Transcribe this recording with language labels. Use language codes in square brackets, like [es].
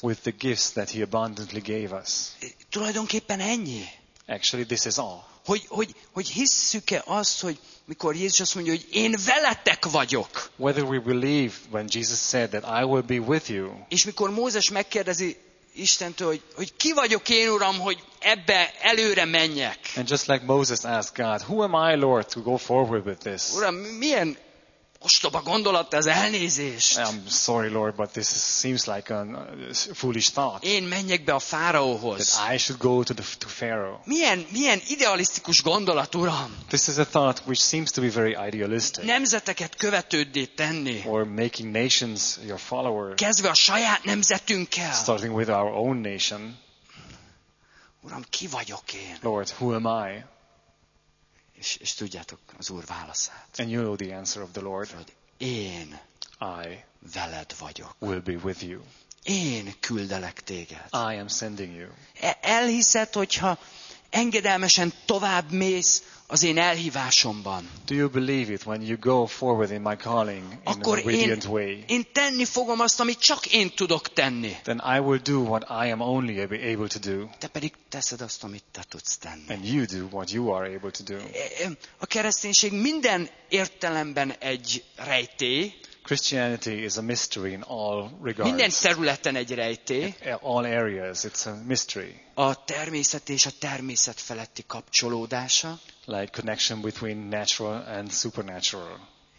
[en] With the gifts that he abundantly gave us. [hu] Tulajdonképpen ennyi. [en] Actually, this is all. [hu] Hogy hisszük-e azt, hogy mikor Jézus azt mondja, hogy én veletek vagyok. [en] Whether we believe when Jesus said that I will be with you. [hu] És mikor Mózes megkérdezi Istentől, hogy ki vagyok én, Uram, hogy ebbe előre menjek. [en] And just like Moses asked God, who am I, Lord, to go forward with this? [hu] Uram, milyen ostoba gondolat ez, elnézést. [en] I'm sorry, Lord, but this seems like a foolish thought. [hu] Én menjek be a fáraóhoz. [en] That I should go to Pharaoh. [hu] Milyen idealisztikus gondolat, Uram. [en] This is a thought which seems to be very idealistic. [hu] Nemzeteket követőddé tenni. [en] Or making nations your follower. [hu] Kezdve a saját nemzetünkkel. [en] Starting with our own nation. [hu] Uram, ki vagyok én? [en] Lord, who am I? [hu] És tudjátok az Úr válaszát. [en] And you know the answer of the Lord. [hu] Hogy én [en] I [hu] veled vagyok. [en] Will be with you. [hu] Én küldelek téged. [en] I am sending you. [hu] Elhiszed, hogyha engedelmesen tovább mész az én elhívásomban. [en] Do you believe it when you go forward in my calling in an obedient way? [hu] Akkor én tenni fogom azt, amit csak én tudok tenni. [en] Then I will do what I am only able to do. [hu] Te pedig teszed azt, amit te tudsz tenni. [en] And you do what you are able to do. [hu] A kereszténység minden értelemben egy rejtély. [en] Christianity is a mystery in all regards. [hu] Minden területen egy rejtély. [en] All areas, it's a mystery. [hu] A természet és a természet feletti kapcsolódása. [en] Like connection between natural and supernatural.